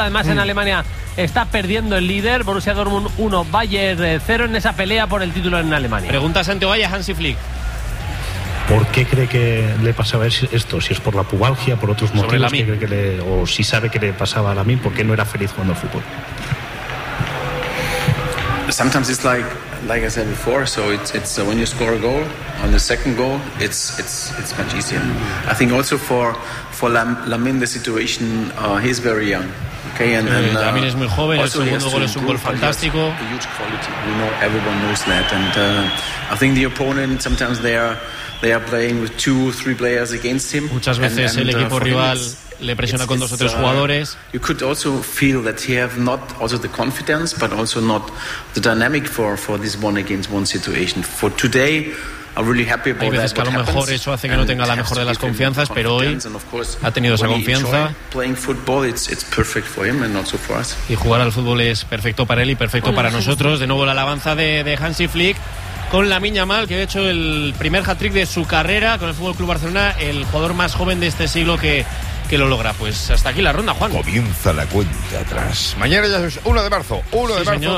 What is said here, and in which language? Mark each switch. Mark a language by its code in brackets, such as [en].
[es] Además, en Alemania está perdiendo el líder, Borussia Dortmund 1, Bayern 0, en esa pelea por el título en Alemania. Pregunta Santiago Valle, Hansi Flick. ¿Por qué cree que le pasaba esto? ¿Si es por la pubalgia, por otros motivos? ¿Qué cree que le, o si sabe que le pasaba a Lamine? ¿Por qué no era feliz jugando al fútbol? [en] Sometimes it's like I said before. So it's when you score a goal on the second goal, it's much easier. I think also for Lamine the situation, he's very young. Okay, and then [es] Lamine is muy joven. El segundo gol es un gol fantástico. [en] A huge quality. We know everyone knows that. And I think the opponent sometimes they are playing with two or three players against him. [es] Muchas veces and el equipo rival le presiona con dos o tres jugadores. [en] You could also feel that he have not also the confidence, but also not the dynamic for this one against one situation. For today, I'm really happy about that. [es] Hay veces que a lo mejor eso hace que no tenga la mejor de las confianzas, pero hoy ha tenido esa confianza. [en] Playing football, it's perfect for him and also for us. [es] Y jugar al fútbol es perfecto para él y perfecto para nosotros. De nuevo la alabanza de Hansi Flick. Con Lamine Yamal, que ha hecho el primer hat-trick de su carrera con el FC Barcelona, el jugador más joven de este siglo que lo logra. Pues hasta aquí la ronda, Juan. Comienza la cuenta atrás. Mañana ya es 1 de marzo. 1 sí, de marzo, señor.